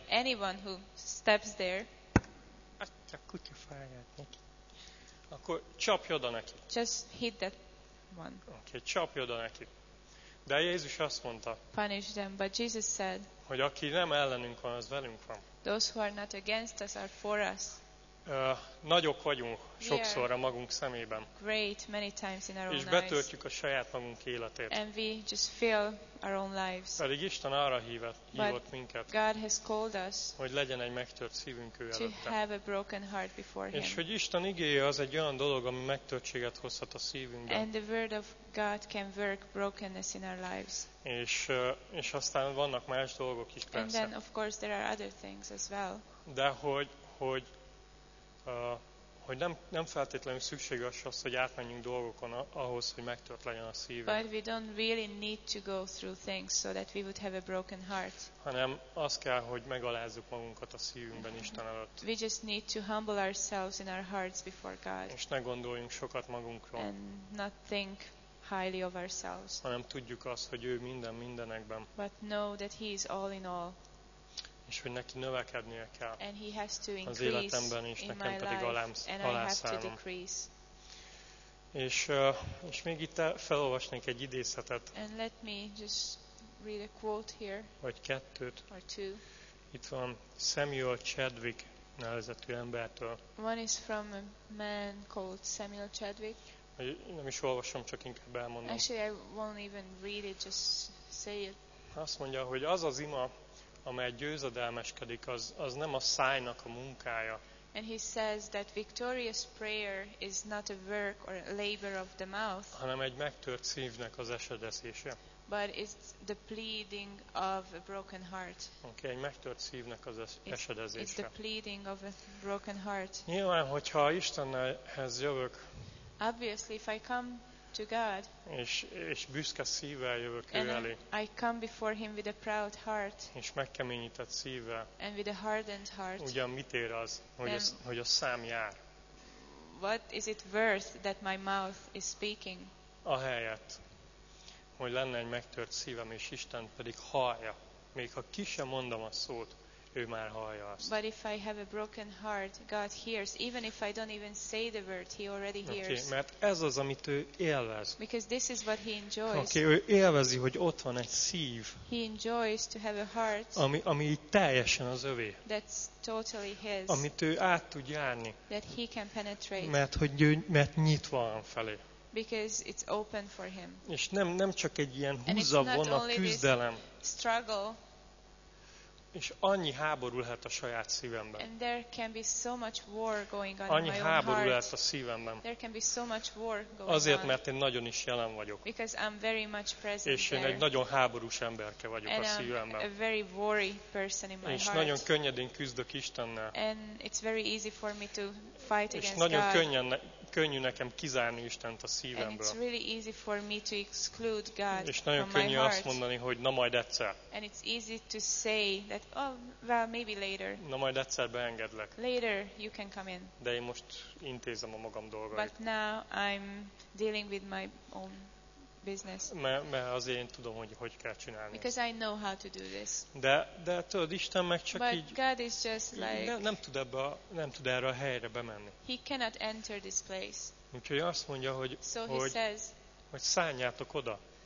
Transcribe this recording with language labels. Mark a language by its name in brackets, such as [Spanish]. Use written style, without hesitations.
[English] Anyone who steps there. [Hungarian] Atya kutyafáját neki. Akkor csapj oda neki. [English] Just hit that one. [Hungarian] Okay, csapj oda neki. De Jézus azt mondta. [English] Punish them, but Jesus said. [Hungarian] Hogy aki nem ellenünk van, az velünk van. [English] Those who are not against us are for us. [Hungarian] Nagyok vagyunk sokszor a magunk szemében. [English] Great many times in our own lives. [Hungarian] És betöltjük a saját magunk életét. [English] And we just fill our own lives. [Hungarian] Pedig Isten arra hívott minket. [English] God has called us. [Hungarian] Hogy legyen egy megtört szívünk ő előtte. [English] To have a broken heart before him. [Hungarian] És hogy Isten igéje az egy olyan dolog, ami megtörtséget hozhat a szívünkben. [English] And the word of God can work brokenness in our lives. [Hungarian] És aztán vannak más dolgok is persze. [English] And then of course there are other things as well. [Hungarian] De hogy nem feltétlenül szükséges az, hogy átmenjünk dolgokon ahhoz, hogy megtört legyen a szíve. [English] But we don't really need to go through things so that we would have a broken heart. [Hungarian] Hanem az kell, hogy megalázzuk magunkat a szívünkben Isten előtt. [English] We just need to humble ourselves in our hearts before God. [Hungarian] És ne gondoljunk sokat magunkról. [English] And not think highly of ourselves. [Hungarian] Hanem tudjuk azt, hogy ő minden mindenekben. [English] But know that he is all in all. [Hungarian] És hogy neki növekednie kell. [English] And he has to increase [Hungarian] az életemben is, nekem pedig alászállom. És még itt felolvasnék egy idézetet. [English] And let me just read a quote here. [Hungarian] Vagy kettőt. [English] Or two. [Hungarian] Itt van Samuel Chadwick nevezetű embertől. [English] One is from a man called Samuel Chadwick. [Hungarian] Nem is olvasom, csak inkább elmondom. [English] Actually, I won't even read it, just say it. [Hungarian] Azt mondja, hogy az az ima, amely győzedelmeskedik, az nem a szájnak a munkája. [English] And he says that victorious prayer is not a work or a labor of the mouth. [Hungarian] Hanem egy megtört szívnek az esedezése. [English] But it's the pleading of a broken heart. [Hungarian] Okay, egy megtört szívnek az esedezése. [English] It's the pleading of a broken heart. [Hungarian] Nyilván, hogyha Istenhez jövök. [English] Obviously, if I come to God. [Hungarian] És büszke szívvel jövök ő elé. [English] I come before him with a proud heart. [Hungarian] És megkeményített szívvel. [English] And with a hardened heart. [Hungarian] Ugyan mit ér az, hogy a szám jár? [English] What is it worth that my mouth is speaking? [Hungarian] Ahelyett, hogy lenne egy megtört szívem, és Isten pedig hallja. Még ha ki sem mondom a szót, ő már hallja azt. [English] But if I have a broken heart, God hears. Even if I don't even say the word, he already hears. [Hungarian] Okay, mert ez az, amit ő élvez. [English] Because this is what he enjoys. [Hungarian] Okay, ő élvezi, hogy ott van egy szív. [English] He enjoys to have a heart. [Hungarian] Ami teljesen az övé. [English] That's totally his. [Hungarian] Amit ő át tud járni. [English] That he can penetrate. [Hungarian] Mert nyitva van felé. [English] Because it's open for him. [Hungarian] És nem csak egy ilyen húzza vonna küzdelem. [English] Struggle. [Hungarian] És annyi háború lehet a saját szívemben. [English] And there can be so much war going on. [Hungarian] Annyi háború lehet a szívemben. [English] There can be so much war going on. [Hungarian] Azért, mert én nagyon is jelen vagyok. [English] Because I'm very much present there. [Hungarian] És én egy nagyon háborús emberke vagyok [English] and [Hungarian] a szívemben. [English] A very war-y person in my heart. [Hungarian] És nagyon könnyedén küzdök Istennel. [English] And it's very easy for me to fight against God. [Hungarian] És nagyon könnyen könnyű nekem kizárni Istent a szívemből. [English] And it's really easy for me to exclude God. [Hungarian] És nagyon [English] from [Hungarian] könnyű [English] my heart. [Hungarian] Azt mondani, hogy na majd egyszer. [English] And it's easy to say that, oh, well, maybe later. [Hungarian] Na majd egyszer beengedlek. [English] Later you can come in. [Hungarian] De én most intézem a magam dolgait. [English] But now I'm dealing with my own business. [Hungarian] Mert azért én tudom, hogy kell csinálni. [English] Because I know how to do this. [Hungarian] De tudod, Isten meg csak [English] but [Hungarian] így. [English] But God is just like. [Hungarian] Nem tud erre a helyre bemenni. [English] He cannot enter this place. [Hungarian] Úgyhogy azt mondja, hogy. [English] So [Hungarian] hogy, [English] he says. [Hungarian] Hogy szálljátok oda.